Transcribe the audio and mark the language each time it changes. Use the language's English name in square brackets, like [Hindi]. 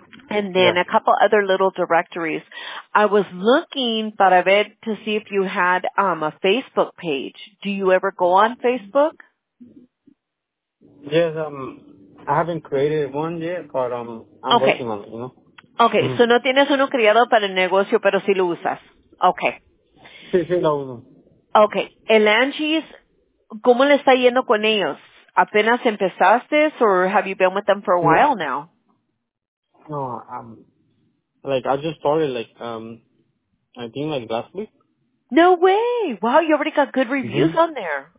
[English] And then a couple other little directories. I was looking [Spanish] para ver [English] to see if you had, a Facebook page. Do you ever go on Facebook? Yes, I haven't created one yet, but I'm working on it, you know. [Spanish] Okay, so no tienes uno creado para el negocio, pero sí lo usas. Okay. Sí, lo uso. Okay, el Angie's, ¿cómo le está yendo con ellos? ¿Apenas empezaste, [English] or have you been with them for a while now? No, I just started, I think, last week. No way. Wow, you already got good reviews on there.